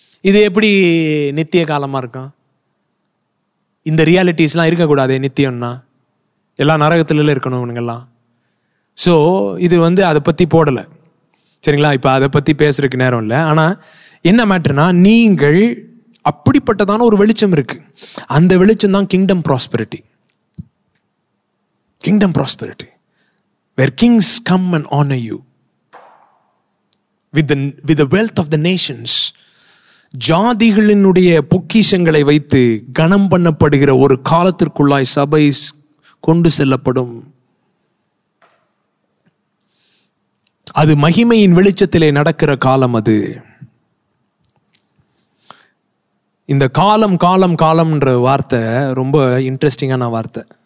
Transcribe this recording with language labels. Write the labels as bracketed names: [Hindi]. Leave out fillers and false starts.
[Tamil] இது எப்படி நித்திய காலமா இருக்கான், இந்த ரியாலிட்டிஸ்லாம் இருக்கக்கூடாதே நித்தியம்னா, எல்லாம் நரகத்துல இருக்கணும் இவனுங்கெல்லாம். ஸோ இது வந்து அதை பற்றி போடலை, சரிங்களா? இப்போ அதை பற்றி பேசுறதுக்கு நேரம் இல்லை. ஆனால் என்ன மேட்டர்னா, நீங்கள் அப்படிப்பட்டதான ஒரு வெளிச்சம் இருக்கு, அந்த வெளிச்சம் தான் kingdom prosperity. Kingdom prosperity [English] where kings come and honor you with the wealth of the nations. [Tamil] ஜாதிகளினுடைய பொக்கிஷங்களை வைத்து கணம் பண்ணப்படுகிற ஒரு காலத்திற்குள்ளாய் சபை கொண்டு செல்லப்படும். அது மகிமையின் வெளிச்சத்திலே நடக்கிற காலம். அது இந்த காலம் காலம் காலம்ன்ற வார்த்தை ரொம்ப இன்ட்ரெஸ்டிங்கான வார்த்தை.